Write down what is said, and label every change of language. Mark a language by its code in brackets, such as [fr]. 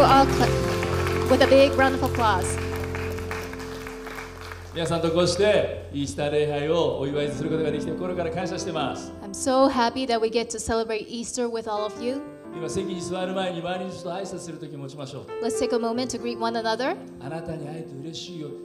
[en] Let's express our thankfulness through our with a big round of applause. [ja] 皆さんとこうしてイースター礼拝をお祝いすることができて心から感謝しています。 [en] I'm so happy that we get to celebrate Easter with all of you. [ja] 今席に座る前に周りの人と挨拶するとき持ちましょう。 [en] Let's take a moment to greet one another. [ja] あなたに会えて嬉しいよ。